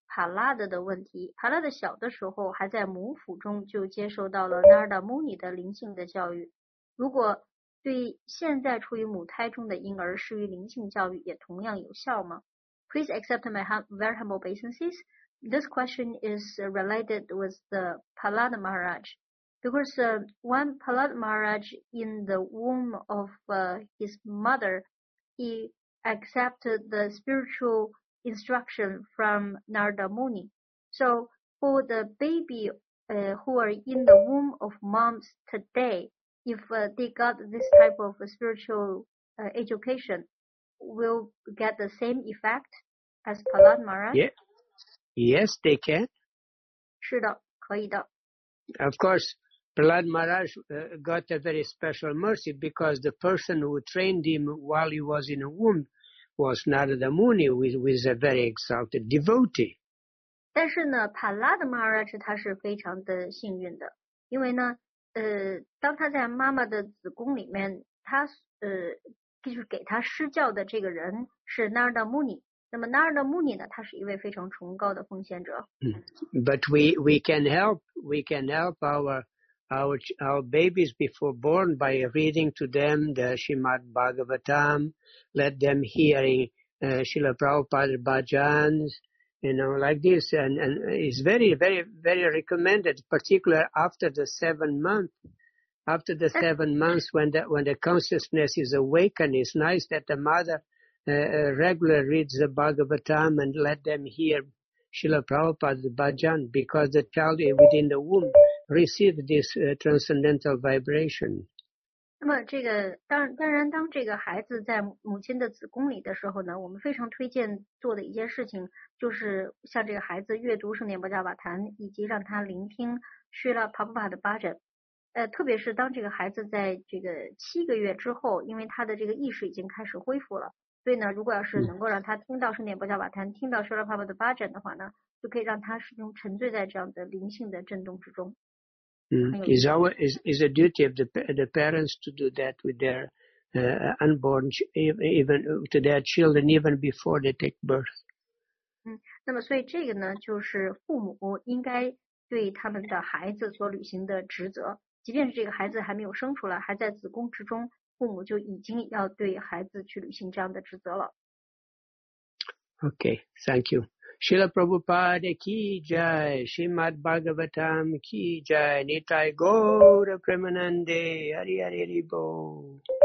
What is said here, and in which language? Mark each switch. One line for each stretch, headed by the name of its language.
Chinese: 帕拉德的问题，帕拉德小的时候还在母腹中就接受到了纳尔达穆尼的灵性的教育，如果对现在处于母胎中的婴儿施于灵性教育也同样有效吗？
English: Please accept my very humble obeisances. This question is related with the Palad Maharaj. Because when Palad Maharaj in the womb of his mother, he accepted the spiritual instruction from Narada Muni. So for the baby who are in the womb of moms today, if they got this type of spiritual education, will get the same effect as Palad Maharaj? Yeah. Yes, they can.
Chinese: 是的，可以的。
English: Of course, Palad Maharaj got a very special mercy because the person who trained him while he was in a womb was Narada Muni, who is a very exalted devotee.
Chinese: 但是呢，帕拉德马拉什他是非常的幸运的，因为呢，当他在妈妈的子宫里面，他就是给他施教的这个人是 Narada Muni，那么那儿的牧尼呢，他是一位非常崇高的奉献者。
English: But we can help, we can help our babies before born by reading to them the Srimad Bhagavatam, let them hearing Srila Prabhupada bhajans, you know, like this. And it's very, very, very recommended, particularly after the 7 months. After the 7 months, when the consciousness is awakened, it's nice that the mother regularly reads the Bhagavatam and let them hear Srila Prabhupada bhajan, because the child within the womb receive this transcendental vibration.
Chinese: 那么这个当然当这个孩子在母亲的子宫里的时候呢，我们非常推荐做的一件事情就是向这个孩子阅读圣典波迦瓦坛，以及让他聆听希拉帕布帕的巴枕。特别是当这个孩子在这个7个月之后，因为他的这个意识已经开始恢复了，所以呢，如果要是能够让他听到圣典波迦瓦坛，听到希拉帕布的巴枕的话呢，就可以让他始终沉醉在这样的灵性的震动之中。
English: Is a duty of the parents to do that with their unborn, even to their children, even before they take birth.
Chinese: 那么所以这个呢，就是父母应该对他们的孩子所履行的职责。即便是这个孩子还没有生出来，还在子宫之中，父母就已经要对孩子去履行这样的职责了。
English: Okay, thank you. Srila Prabhupada ki jai, Srimad Bhagavatam ki jai, Nitai Gaura Premanande, Hari Hari Hari Bo.